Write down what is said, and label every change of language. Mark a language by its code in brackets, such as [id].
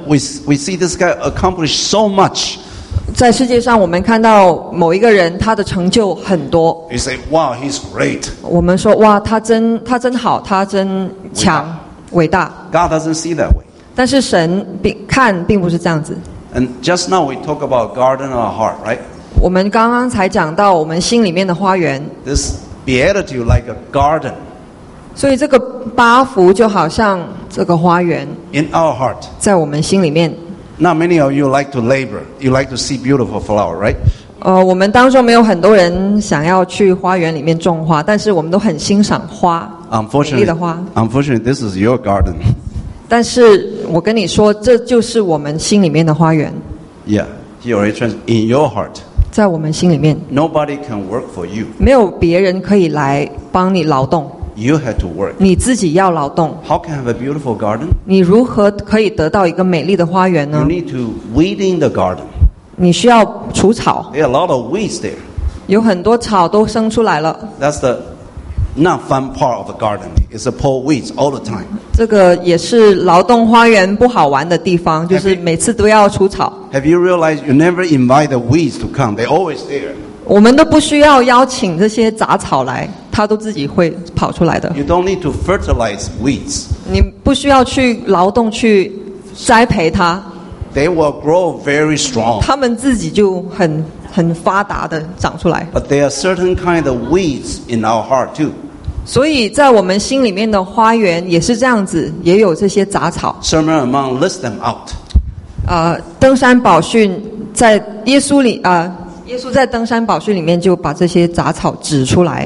[en] we see this guy accomplished so much. [zh] 在世界上我们看到某一个人他的成就很多， [en] we say wow he's great. [zh] 我们说哇他真好，他真强伟大。 [en] God doesn't see that way. [zh] 但是神看并不是这样子。 [en] And just now we talk about garden of our heart, right? [zh] 我们刚刚才讲到我们心里面的花园。 [en] This beatitude like a garden. [zh] 所以这个八福就好像这个花园， [en] In our heart, [zh] 在我们心里面。 [en] Not many of you like to labor. You like to see beautiful flower, right? [zh] 我们当中没有很多人想要去花园里面种花，但是我们都很欣赏花，美丽的花。 [en] Unfortunately, this is your garden. [zh] 但是我跟你说，这就是我们心里面的花园。 [en] Yeah, he already trans in your heart. [zh] 在我们心里面。 [en] Nobody can work for you. [zh] 没有别人可以来帮你劳动。 [en] You had to work. [zh] 你自己要劳动。 [en] How can I have a beautiful garden? [zh] 你如何可以得到一个美丽的花园呢？ [en] You need to weed in the garden. [zh] 你需要除草。 [en] There are a lot of weeds there. [zh] 有很多草都生出来了。 [en] That's the not fun part of a garden. It's a pull weeds all the time. [zh] 这个也是劳动花园不好玩的地方，就是每次都要除草。 [en] Have you realized you never invite the weeds to come? They're always there. [zh] 我们都不需要邀请这些杂草来，它都自己会跑出来的。 [en] You don't need to fertilize weeds. [zh] 你不需要去劳动去栽培它。 [en] They will grow very strong. [zh] 它们自己就很发达的长出来。 [en] But there are certain kind of weeds in our heart too. [zh] 所以在我们心里面的花园也是这样子，也有这些杂草。 [en] Sermon on Mount lists them out. [zh] 登山宝训在耶稣里耶稣在登山宝训里面就把这些杂草指出来。